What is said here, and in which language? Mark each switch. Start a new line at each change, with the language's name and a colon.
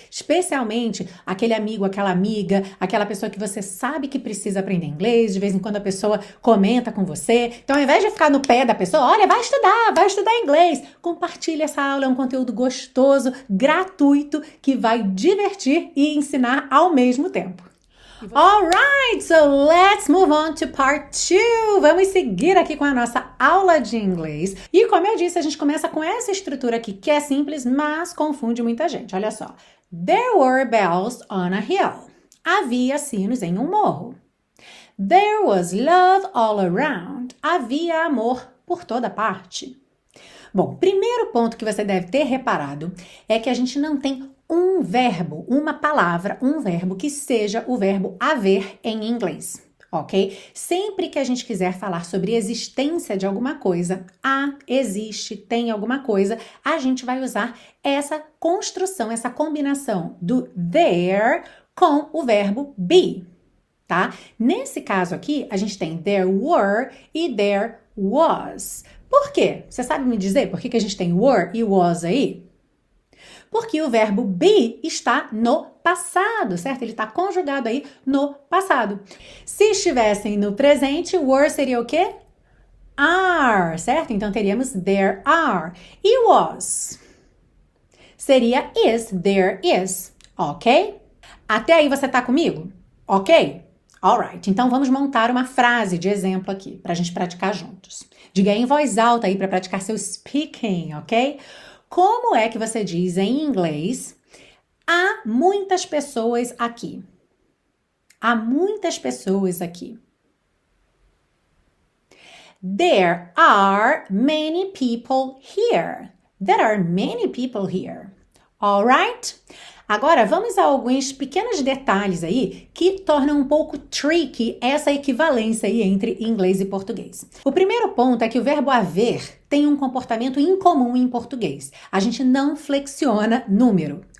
Portuguese: Especialmente aquele amigo, aquela amiga, aquela pessoa que você sabe que precisa aprender inglês, de vez em quando a pessoa comenta com você. Então, ao invés de ficar no pé da pessoa, olha, vai estudar inglês. Compartilhe essa aula, é um conteúdo gostoso, gratuito, que vai divertir e ensinar ao mesmo tempo.
English: All right, so let's move on to part two.
Portuguese: Vamos seguir aqui com a nossa aula de inglês. E como eu disse, a gente começa com essa estrutura aqui que é simples, mas confunde muita gente. Olha só.
English: There were bells on a hill.
Portuguese: Havia sinos em um morro.
English: There was love all around.
Portuguese: Havia amor por toda parte. Bom, primeiro ponto que você deve ter reparado é que a gente não tem um verbo, uma palavra, um verbo que seja o verbo haver em inglês, ok? Sempre que a gente quiser falar sobre existência de alguma coisa, há, existe, tem alguma coisa, a gente vai usar essa construção, essa combinação do there com o verbo be, tá? Nesse caso aqui, a gente tem there were e there was. Por quê? Você sabe me dizer por que que a gente tem were e was aí? Porque o verbo be está no passado, certo? Ele está conjugado aí no passado. Se estivessem no presente, were seria o quê? Are, certo? Então teríamos there are. E was seria is, there is, ok? Até aí você está comigo? Ok? Alright, então vamos montar uma frase de exemplo aqui para a gente praticar juntos. Diga aí em voz alta aí para praticar seu speaking, ok? Como é que você diz em inglês? Há muitas pessoas aqui. Há muitas pessoas aqui.
English: There are many people here. There are many people here. All right?
Portuguese: Agora vamos a alguns pequenos detalhes aí que tornam um pouco tricky essa equivalência aí entre inglês e português. O primeiro ponto é que o verbo haver tem um comportamento incomum em português. A gente não flexiona número.